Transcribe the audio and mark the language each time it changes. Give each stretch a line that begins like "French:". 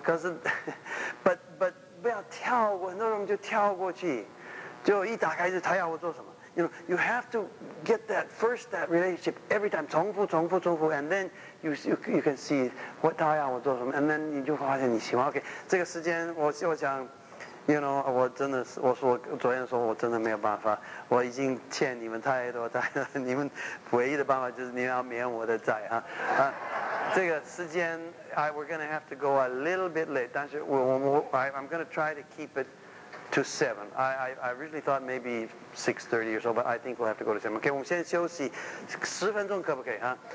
Chinese: 可是，不，不要跳过，很多人就跳过去，就一打开始，他要我做什么 ？
English: You know, you have to get that first that relationship every time，
Chinese: 重复 ，
English: and then you can see what
Chinese: 他要我做什么 ，
English: and then
Chinese: 你就发现你喜欢。OK， 这个时间我想 ，You know， 我真的是，我昨天说我真的没有办法，我已经欠你们太多债了，你们唯一的办法就是你们要免我的债啊！这个时间
English: ，we're gonna have to go a little bit late， 但是I'm gonna try to keep it to 7. I really thought maybe 6:30 or so， but I think we'll have to go to 7.
Chinese: OK， 我们先休息10分钟，可不可以啊？